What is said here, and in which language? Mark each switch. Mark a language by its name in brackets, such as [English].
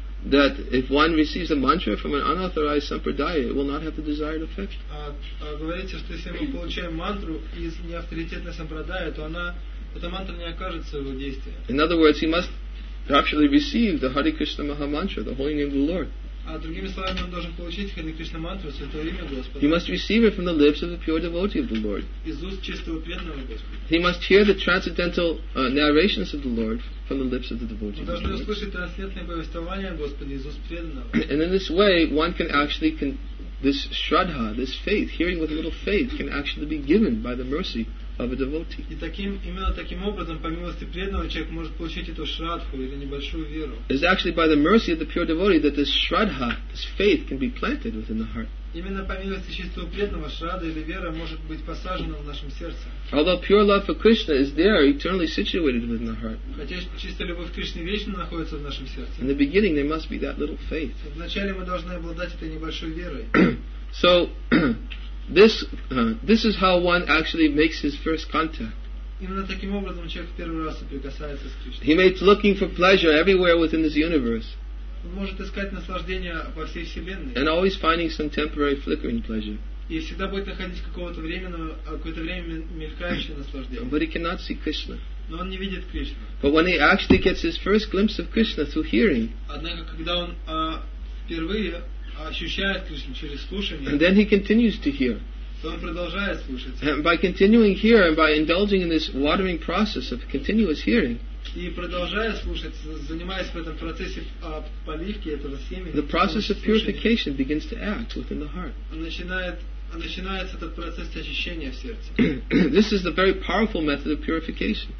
[English] That if one receives a mantra from an unauthorized sampradaya, it will not have the desired effect. [Russian] Говорится, что если мы получаем мантру из неавторитетной сампрадаи, то эта мантра не окажется его действия. [English] In other words, he must actually receive the Hare Krishna Maha Mantra, the holy name of the Lord. [Russian] А другими словами, он должен получить Хари Кришна мантру, святое имя Господа. [English] He must receive it from the lips of a pure devotee of the Lord. [Russian] Из уст чистого преданного Господа. [English] He must hear the transcendental narrations of the Lord from the lips of the devotee. [Russian] Он должен услышать трансцендентное повествование Господа из уст преданного. [English] And in this way, one can actually this shraddha, this faith, hearing with a little faith, can actually be given by the mercy of a devotee. [Russian] И именно таким образом, по милости преданного, человек может получить эту шрадху или небольшую веру. [English] It's actually by the mercy of the pure devotee that this shraddha, this faith, can be planted within the heart. [Russian] Именно по милости чистого преданного шрадха или вера может быть посажена в нашем сердце. [English] Although pure love for Krishna is there, eternally situated within the heart. [Russian] Хотя чистая любовь к Кришне вечно находится в нашем сердце. [English] In the beginning, there must be that little faith. [Russian] Вначале мы должны обладать этой небольшой верой. [English] So This is how one actually makes his first contact. [Russian] Именно таким образом человек в первый раз соприкасается с Кришной. [English] He may be looking for pleasure everywhere within this universe. [Russian] Он может искать наслаждение во всей вселенной. [English] And always finding some temporary flickering pleasure. [Russian] И всегда будет находить какое-то время мелькающее наслаждение. [English] But he cannot see Krishna. [Russian] Но он не видит Кришну. [English] But when he actually gets his first glimpse of Krishna through hearing. [Russian] Однако когда он впервые ощущает Кришну через слушание. [English] And then he continues to hear. And by continuing here and by indulging in this watering process of continuous hearing, the process of purification begins to act within the heart. This is the very powerful method of purification.